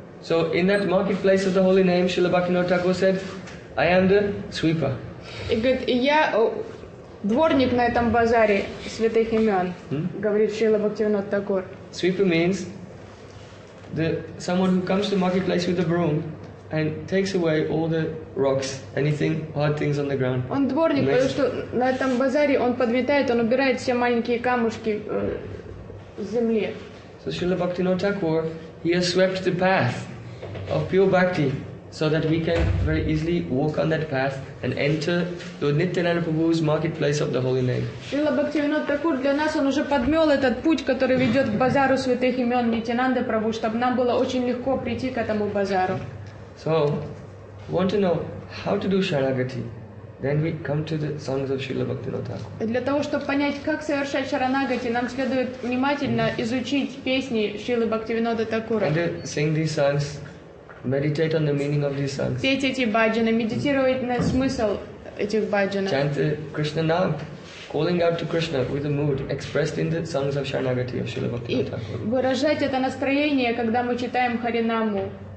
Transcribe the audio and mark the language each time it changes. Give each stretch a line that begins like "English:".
English: So in that marketplace of the holy name, Srila Bhaktivinoda Thakur said, I am the sweeper.
Russian: И говорит, я дворник на этом базаре святых имен, говорит Шрила Бхактивинода Такур.
English: Sweeper means the someone who comes to the marketplace with a broom and takes away all the rocks, anything, hard things on the ground.
Russian: Он дворник, потому что на этом базаре он подметает, он убирает все маленькие камушки с земли.
English: So Srila Bhaktivinoda Thakur, he has swept the path of pure bhakti so that we can very easily walk on that path and enter the Nityananda Prabhu's marketplace of the holy name.
Russian: Srila Bhaktivinoda Thakur для нас он уже подмел этот путь, который ведет к базару святых имен Нитянанда Прабху, чтобы нам было очень легко прийти к этому базару.
English: So, want to know how to do Sharanagati? Then we come to the songs of Srila Bhaktivinoda Thakur.
Russian: Для того, чтобы понять, как совершать Sharanagati, нам следует внимательно изучить песни Шрилы Бхактивинода Такура.
English: And sing these songs, meditate on the meaning of these songs.
Russian: Петь эти баджаны, медитировать на смысл этих баджанов.
English: Chant Krishna Naam, calling out to Krishna with a mood expressed in the songs of Sharanagati of Srila Bhaktivinoda Thakur.
Russian: И выражать это настроение, когда мы читаем Харинаму.